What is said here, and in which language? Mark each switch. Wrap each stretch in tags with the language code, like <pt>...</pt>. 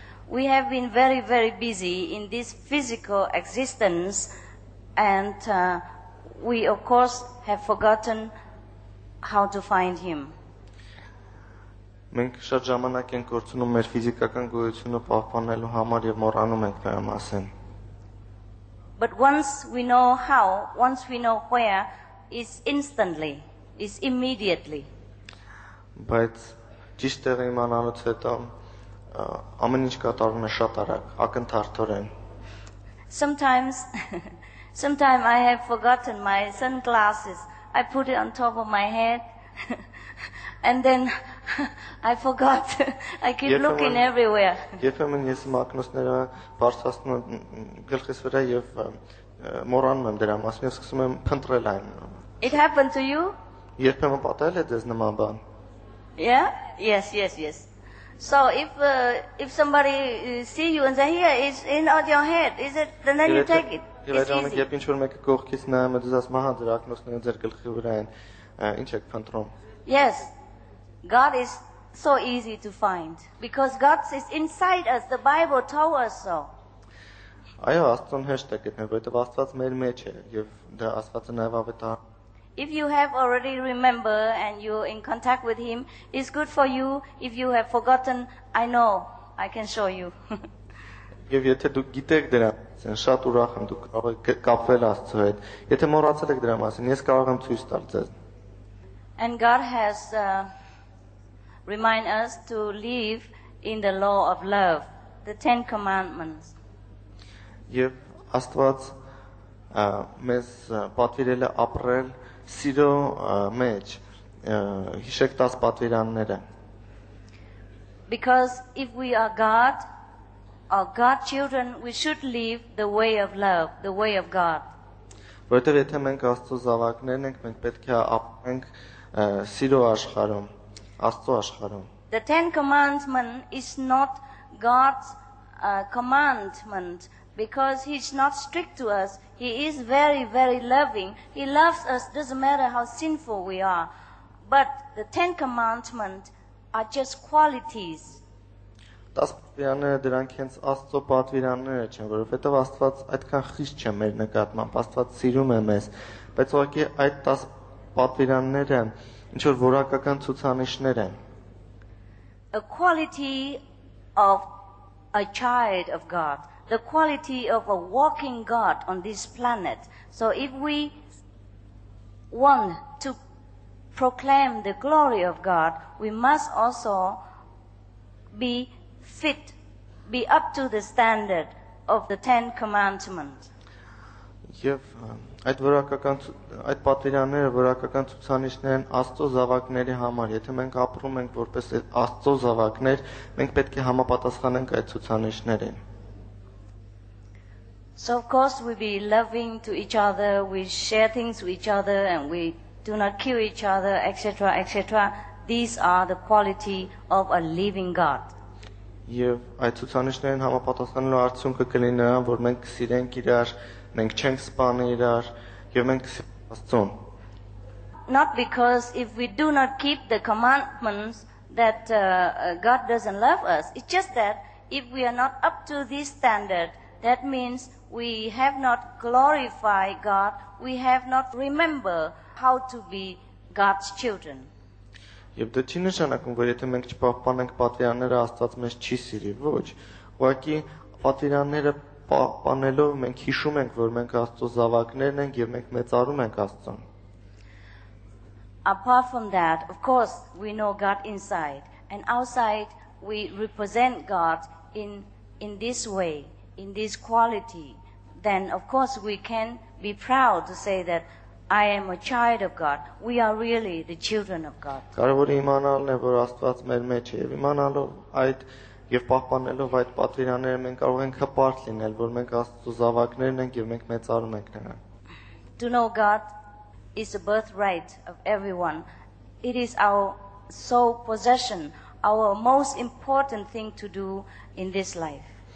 <en>We have been very very busy in this physical existence and we of course have forgotten how to find him.</en> <hy>Մենք շատ ժամանակ ենք գործում մեր ֆիզիկական գոյությունը պահպանելու համար եւ մոռանում ենք նրա մասին։</hy> <en>But once we know how, once we know where, it's instantly, it's immediately. But</en> <hy>ճիշտ է իմանալուց հետո ամեն ինչ կատարվում է շատ արագ, ակնթարթորեն։</hy> <en>Sometimes I have forgotten my sunglasses. I put it on top of my head and then I forgot. I keep looking everywhere.</en> <hy>Երբեմն ես մակնոսները բարձրացնում եմ գլխիս վրա եւ մոռանում եմ դրա մասին, սկսում եմ փնտրել այն։</hy> <en>It happened to you?</en> <hy>Երբեմն պատահել է դες նման բան։</hy> <en>Yeah? Yes. So if somebody see you and say here is in on your head, is it then you take it?</en> <hy>Երբեմն եթե ինչ-որ մեկը կողքից նայում է դες ասում, հա դրա մակնոսները ձեր գլխի վրա են, ի՞նչ եք փնտրում։</hy> <en>Yes. God is so easy to find because God is inside us. The Bible told us so.</en> <hy>Այո, Աստծուն հեշտ է գտնել, որովհետև Աստված մեր մեջ է եւ դա Աստվածը նաեւ ավետարան։</hy> <en>If you have already remember and you in contact with him, it's good for you. If you have forgotten, I know. I can show you.</en> <hy>Եվ եթե դուք գիտեք դրա մասին, շատ ուրախ եմ դուք կարող եք կապվել Աստծո հետ։ Եթե մոռացել եք դրա մասին, ես կարող եմ ցույց տալ ձեզ։</hy> <en>And God has remind us to live in the law of love, the Ten Commandments.</en> <hy>Եվ Աստված մեզ պատվիրել է ապրել սիրո մեջ, հիշեք 10 պատվիրանները.</hy> <en>Because if we are God or God children, we should live the way of love, the way of God.</en> <hy>Որտեղ եթե մենք Աստծո զավակներ ենք, մենք պետք է ապրենք սիրո աշխարհում, Աստծո աշխարհում։</hy> <en>The Ten Commandments is not God's commandment because he's not strict to us. He is very very loving. He loves us doesn't matter how sinful we are. But the Ten Commandments are just qualities.</en> <hy>Դաս պատվիրանները դրանք հենց Աստծո պատվիրանները չեն, որովհետև Աստված այդքան խիստ չէ մեր նկատմամբ, Աստված սիրում է մեզ, բայց ուղղակի այդ 10 պատվիրանները ինչ որ որակական ցուցանիշներ են.</hy> <en>A quality of a child of God, the quality of a walking God on this planet. So if we want to proclaim the glory of God, we must also be fit, be up to the standard of the Ten Commandments.</en> <hy>Եվ այդ պատվիրանները որակական ցուցանիշներ են Աստծո զավակների համար։ Եթե մենք ապրում ենք որպես Աստծո զավակներ, մենք պետք է համապատասխանենք այդ ցուցանիշներին։</hy> <en>So of course we be loving to each other, we share things with each other, and we do not kill each other, etc., etc. These are the quality of a living God.</en> <hy>Եվ այդ ցուցանիշներին համապատասխանելու արդյունքը կլինի նրան, որ մենք սիրենք իրար, մենք չենք սպանի իրար, եւ մենք Աստծուն.</hy> <en>Not because if we do not keep the commandments that God doesn't love us. It's just that if we are not up to this standard, that means we have not glorified God, we have not remembered how to be God's children.</en> <hy>Եվ դա չի նշանակում, որ եթե մենք չպահպանենք պատվիրանները, Աստված մեզ չի սիրի, ոչ։ Ուղղակի պատվիրանները պահպանելով մենք հիշում ենք, որ մենք Աստծո զավակներն ենք եւ մենք մեծարում ենք Աստծուն։</hy> <en>Apart from that, of course, we know God inside, and outside we represent God in this way, in this quality. Then, of course, we can be proud to say that I am a child of God. We are really the children of God.</en> <hy>Կարևորը իմանալն է, որ Աստված մեր մեջ է, եւ իմանալով այդ եւ պահպանելով այդ պատվիրանները մենք կարող ենք հպարտ լինել, որ մենք Աստծո զավակներն ենք եւ մենք մեծանում ենք նրան։</hy> <en>To know God is a birthright of everyone. It is our sole possession, our most important thing to do in this life.</en>